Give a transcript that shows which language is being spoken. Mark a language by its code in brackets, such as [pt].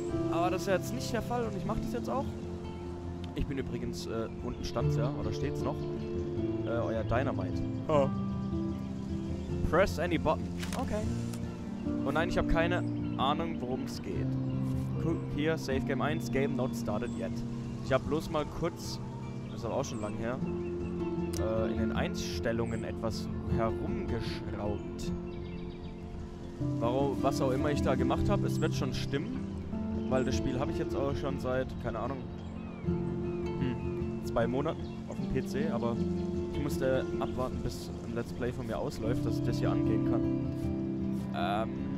[de] Aber das ist jetzt nicht der Fall und ich mache das jetzt auch. Ich bin übrigens, unten stand's ja, oder steht's noch, euer Dynamite. Oh. [en] Press any button. Okay. [de] Oh nein, ich habe keine Ahnung, worum es geht. [en] Hier, Save Game 1, Game not started yet. [de] Ich habe bloß mal kurz, das ist aber auch schon lang her, in den Einstellungen etwas herumgeschraubt. Warum, was auch immer ich da gemacht habe, es wird schon stimmen, weil das Spiel habe ich jetzt auch schon seit, keine Ahnung, 2 Monaten auf dem PC, aber ich musste abwarten, bis ein Let's Play von mir ausläuft, dass ich das hier angehen kann.